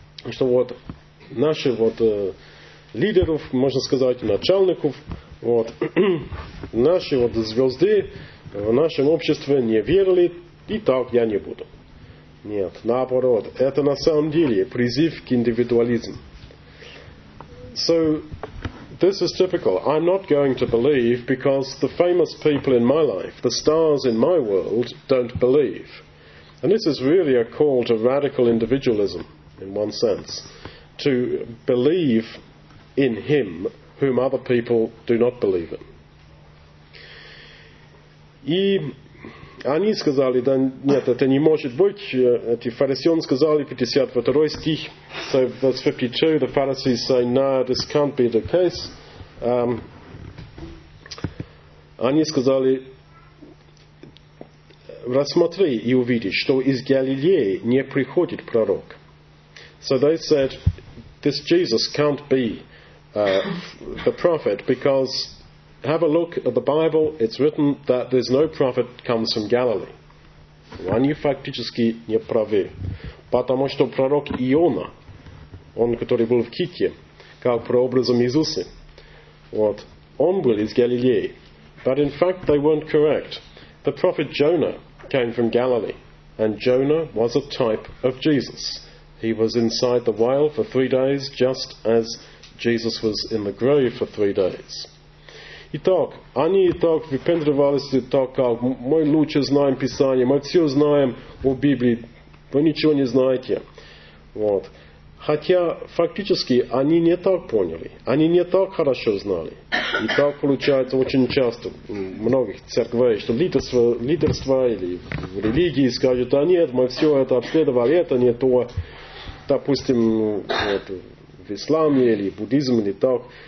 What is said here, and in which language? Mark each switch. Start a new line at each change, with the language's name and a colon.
Russian: Что вот наши лидеров, можно сказать, начальников, наши звезды в нашем обществе не верили, и так я не буду. Нет, наоборот, это на самом деле призыв к индивидуализму.
English: So, this is typical. I'm not going to believe because the famous people in my life, the stars in my world, don't believe. And this is really a call to radical individualism, in one sense, to believe in him whom other people do not believe in.
Russian: И они сказали, да нет, это не может быть. Эти фарисеи сказали, 52 стих,
English: so that's 52, the Pharisees say, no, this can't be the case.
Russian: Они сказали, рассмотри и увиди, что из Галилеи не приходит пророк.
English: So they said, this Jesus can't be the prophet because... Have a look at the Bible. It's written that there's no prophet comes from Galilee.
Russian: Они фактически не правы. Потому что пророк Иона, он, который был в Ките, как прообразом Иисуса, он был из Галилеи.
English: But in fact, they weren't correct. The prophet Jonah came from Galilee. And Jonah was a type of Jesus. He was inside the whale for 3 days, just as Jesus was in the grave for 3 days.
Russian: Итак, они так выпендривались, так как мы лучше знаем Писание, мы все знаем о Библии, вы ничего не знаете. Хотя, фактически, они не так поняли, они не так хорошо знали. И так получается очень часто у многих церквей, что лидерство или в религии скажут, а нет, мы все это обследовали, это не то, допустим, в исламе или в буддизме или так.